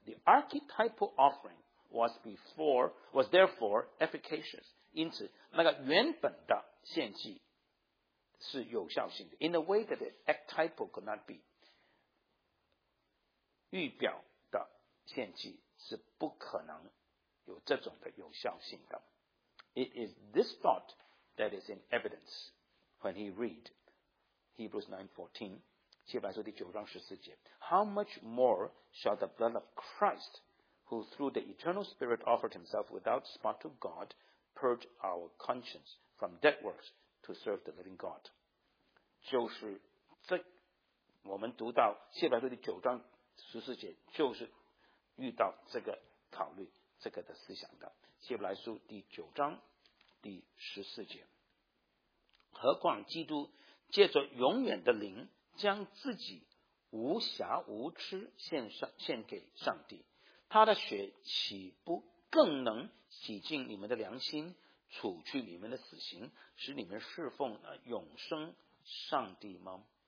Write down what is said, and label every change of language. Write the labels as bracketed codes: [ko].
[en] The archetypal offering was therefore efficacious， [zh] 因此那个原本的献祭是有效性的。 [en] In a way that the archetypal could not be， [zh] 预表的献祭是不可能有这种的有效性的。 [en] It is this thought that is in evidence when he read Hebrews 9:14， [zh] 希伯来书第九章十四节， [en] How much more shall the blood of Christ who through the eternal spirit offered himself without spot to God purge our conscience from dead works to serve the living God。 [zh] 就是这我们读到希伯来书第九章十四节就是遇到这个考虑这个的思想的。希伯来书第九章第十四节，何况基督借着永远的灵将自己无瑕无疵 献给上帝，他的血岂不更能洗净你们的良心，除去你们的死刑，使你们侍奉永生上帝吗？